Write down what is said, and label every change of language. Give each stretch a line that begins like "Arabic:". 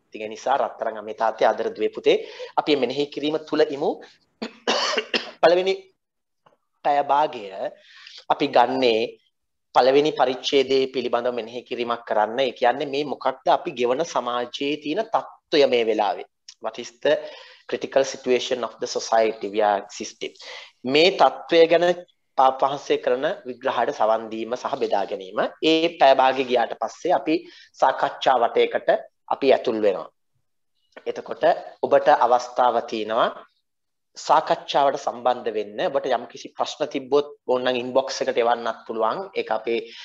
Sinhala: ඒ නිසා රත්තරන් අමේ තාත්තේ ආදර දුවේ පුතේ අපි මෙනෙහි කිරීම තුළ ඉමු. පළවෙනි පැය භාගය අපි ගන්නේ පළවෙනි පරිච්ඡේදයේ පිළිබඳව මෙනෙහි කිරීමක් කරන්න. ඒ කියන්නේ මේ මොකක්ද අපි ගෙවන සමාජයේ තියෙන තත්ත්වය මේ වෙලාවේ.
English: What is the critical situation of the society we are existing?
Sinhala: මේ තත්ත්වය ගැන පාපහසේකරණ විග්‍රහයට සවන් දීම සහ බෙදා ගැනීම ඒ පැයභාගය ගියාට පස්සේ අපි සාකච්ඡා වටයකට අපි ඇතුල් වෙනවා එතකොට ඔබට අවස්ථාව තියෙනවා සාකච්ඡාවට සම්බන්ධ වෙන්න ඔබට යම්කිසි ප්‍රශ්න තිබ්බොත් ඕනනම් ඉන්බොක්ස් එකට එවන්නත් පුළුවන් ඒක අපේ